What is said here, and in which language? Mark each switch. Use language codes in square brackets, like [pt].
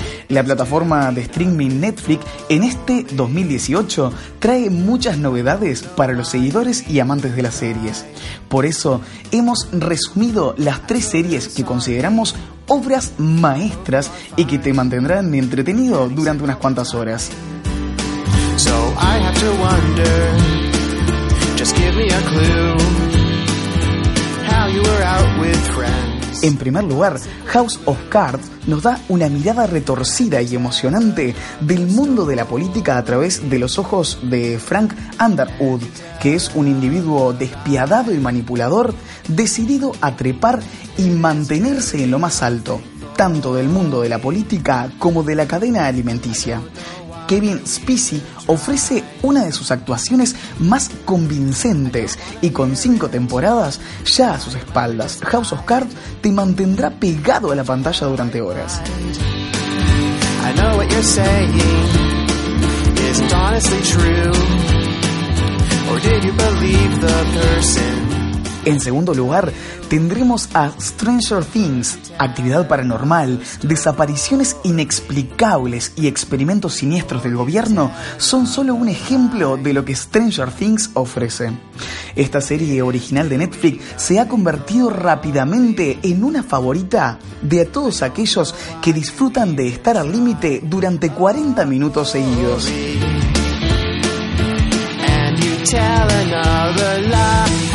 [es] La plataforma de streaming Netflix en este 2018 trae muchas novedades para los seguidores y amantes de las series. Por eso hemos resumido las tres series que consideramos obras maestras y que te mantendrán entretenido durante unas cuantas horas. [en] So I have to wonder, just give me a clue, how you were out with friends. [es] En primer lugar, House of Cards nos da una mirada retorcida y emocionante del mundo de la política a través de los ojos de Frank Underwood, que es un individuo despiadado y manipulador, decidido a trepar y mantenerse en lo más alto, tanto del mundo de la política como de la cadena alimenticia. Kevin Spacey ofrece una de sus actuaciones más convincentes y con 5 temporadas ya a sus espaldas, House of Cards te mantendrá pegado a la pantalla durante horas. [en] I know what you're saying isn't honestly true, or did you believe the person? [es] En segundo lugar, tendremos a Stranger Things, actividad paranormal, desapariciones inexplicables y experimentos siniestros del gobierno son solo un ejemplo de lo que Stranger Things ofrece. Esta serie original de Netflix se ha convertido rápidamente en una favorita de a todos aquellos que disfrutan de estar al límite durante 40 minutos seguidos. [en] And you tell another lie.